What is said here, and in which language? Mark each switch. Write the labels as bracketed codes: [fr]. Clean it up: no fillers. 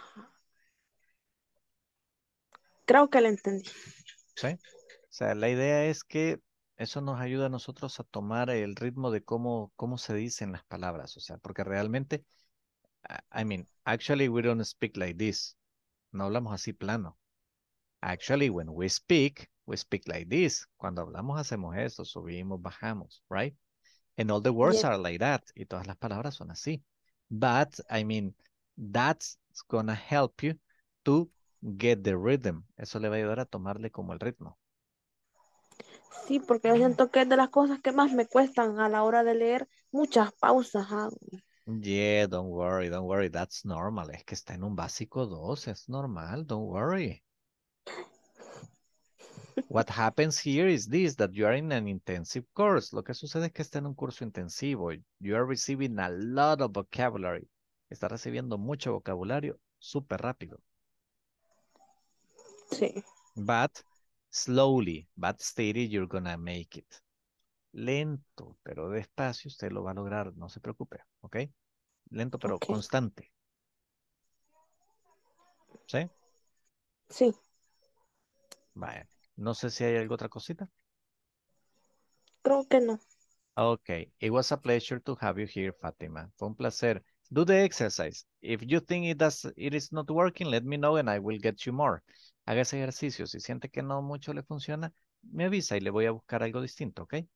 [es] Ajá. Creo que la entendí. Sí. O sea, la idea es que eso nos ayuda a nosotros a tomar el ritmo de cómo se dicen las palabras. O sea, porque realmente, [en] I mean, actually we don't speak like this. [es] No hablamos así plano. [en] Actually, when we speak like this. [es] Cuando hablamos, hacemos esto, subimos, bajamos, [en] right? And all the words yeah. Are like that. [es] Y todas las palabras son así. [en] But, I mean, that's gonna help you to get the rhythm. [es] Eso le va a ayudar a tomarle como el ritmo. Sí, porque yo siento que es de las cosas que más me cuestan a la hora de leer, muchas pausas hago. [en] Yeah, don't worry, that's normal. [es] Es que está en un básico 2, es normal, [en] don't worry. What happens here is this, that you are in an intensive course. [es] Lo que sucede es que está en un curso intensivo. [en] You are receiving a lot of vocabulary. [es] Está recibiendo mucho vocabulario súper rápido. Sí. [en] But slowly, but steady, you're gonna make it. [es] Lento, pero despacio, usted lo va a lograr, no se preocupe, ¿ok? Lento, pero okay. Constante. ¿Sí? Sí. Vale. No sé si hay alguna otra cosita. Creo que no. Ok. [en] It was a pleasure to have you here, Fátima. [es] Fue un placer. [en] Do the exercise. If you think it is not working, let me know and I will get you more. [es] Haga ese ejercicio. Si siente que no mucho le funciona, me avisa y le voy a buscar algo distinto, ¿ok?